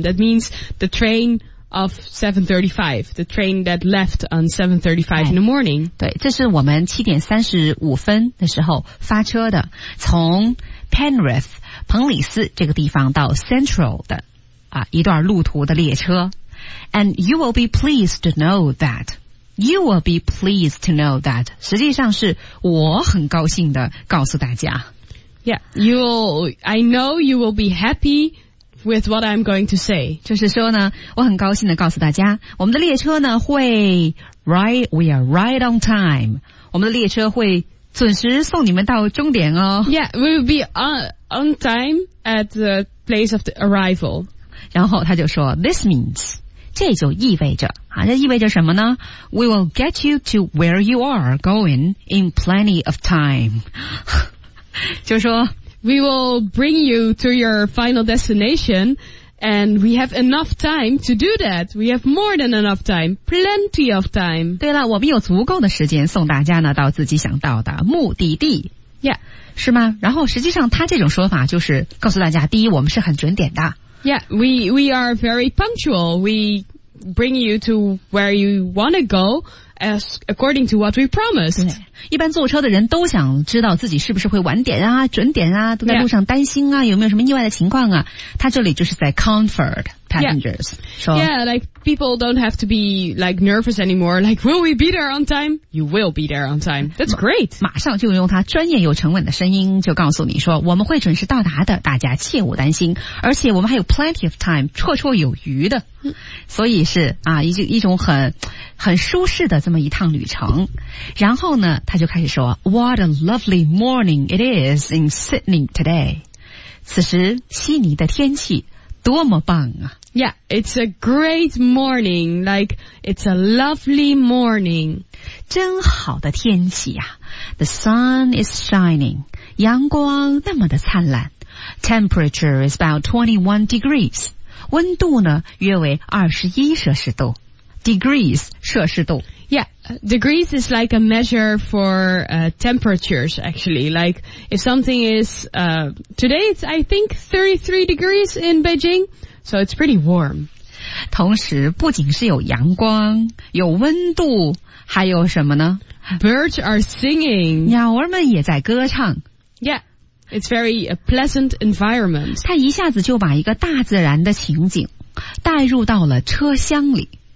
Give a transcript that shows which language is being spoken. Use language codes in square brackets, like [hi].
[en] That means the train of 7:35, the train that left on 7:35 in the morning. [zh] 对，这是我们7:35的时候发车的，从 Penrith 彭里斯这个地方到 Central 的啊一段路途的列车。 [en] And you will be pleased to know that. You will be pleased to know that. [zh] 实际上是我很高兴地告诉大家。 [en] Yeah, I know you will be happy with what I'm going to say. [zh] 就是说呢，我很高兴地告诉大家，我们的列车呢会 [en] right, we are right on time. [zh] 我们的列车会准时送你们到终点哦。 [en] Yeah, we will be on time at the place of the arrival. [zh] 然后他就说 [en] ,this means, [zh] 这就意味着啊，这意味着什么呢 [en] ?We will get you to where you are going in plenty of time. [zh] 就说 [en] we will bring you to your final destination, and we have enough time to do that. We have more than enough time, plenty of time. [zh] 对了，我们有足够的时间送大家呢到自己想到的目的地。 [en] Yeah. [zh] 是吗？然后实际上他这种说法就是告诉大家，第一，我们是很准点的。 [en] Yeah, we are very punctual. We bring you to where you want to go as according to what we promised. [zh] 对，一般坐车的人都想知道自己是不是会晚点啊，准点啊，都在路上担心啊， [en] yeah. [zh] 有没有什么意外的情况啊？他这里就是在 [en] comfort passengers. Yeah. Yeah, like people don't have to be like nervous anymore. Like, will we be there on time? You will be there on time. That's great. [zh] 马上就用他专业又沉稳的声音就告诉你说，我们会准时到达的，大家切勿担心。而且我们还有 [en] plenty of time, [zh] 绰绰有余的。所以是啊，一种很舒适的这么一趟旅程。然后呢，他就开始说 [en] ,What a lovely morning it is in Sydney today. [zh] 此时悉尼的天气多么棒啊。 [en] Yeah, it's a great morning, like it's a lovely morning. [zh] 真好的天气啊。 [en] The sun is shining, [zh] 阳光那么的灿烂。 [en] Temperature is about 21 degrees. [zh] 温度呢约为21摄氏度。 Degrees, 摄氏度。 [en] Yeah, degrees is like a measure for temperatures, actually. Like, if something is, today it's, I think, 33 degrees in Beijing, so it's pretty warm. [zh] 同时不仅是有阳光，有温度，还有什么呢？ [en] Birds are singing. [zh] 鸟儿们也在歌唱。 [en] Yeah, it's very a pleasant environment. [zh] 他一下子就把一个大自然的情景带入到了车厢里。